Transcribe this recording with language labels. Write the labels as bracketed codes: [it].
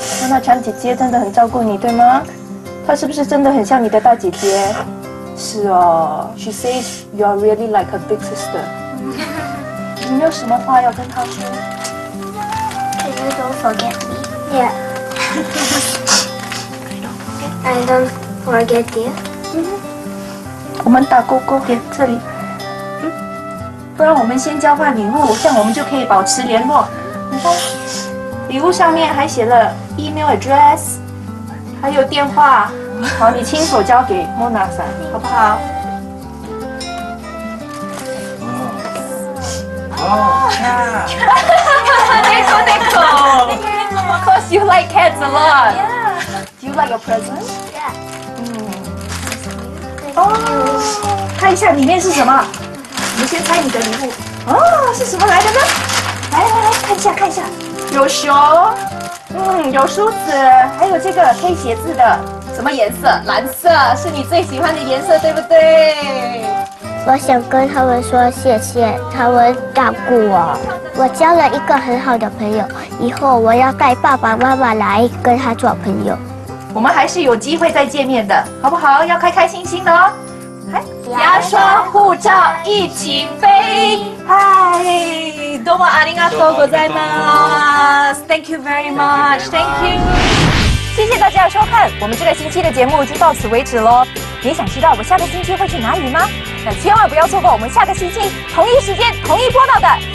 [zh] Mona 厂姐姐真的很照顾你，对吗？她是不是真的很像你的大姐姐？ [en] 是哦 ，She says you are really like a big sister. [zh] 你有什么话要跟她说 [en] ？Can you don't forget me? Yeah. I don't forget you. [zh] 我们打勾勾给这里。不然我们先交换礼物，这样我们就可以保持联络。你看，礼物上面还写了 email address。还有电话，好，你亲手交给莫娜莎，好不好？哦，哦 ，Nico Nico， [en] of course you like cats a lot. Yeah. Do you like a present? Yeah. [zh] 嗯。哦，看一下里面是什么？我们先猜你的礼物。哦，是什么来的呢？来来来，看一下看一下，有熊。嗯，有梳子，还有这个可以写字的，什么颜色？蓝色是你最喜欢的颜色，对不对？我想跟他们说谢谢，他们照顾我，我交了一个很好的朋友，以后我要带爸爸妈妈来跟他做朋友。我们还是有机会再见面的，好不好？要开开心心的哦。牙刷护照一起飞，嗨。 [ja] どうもありがとうございます。 [en] Thank you very much. Thank you. [zh] 谢谢大家的收看，我们这个星期的节目就到此为止咯。你想知道我下个星期会去哪里吗？那千万不要错过我们下个星期同一时间同一播报的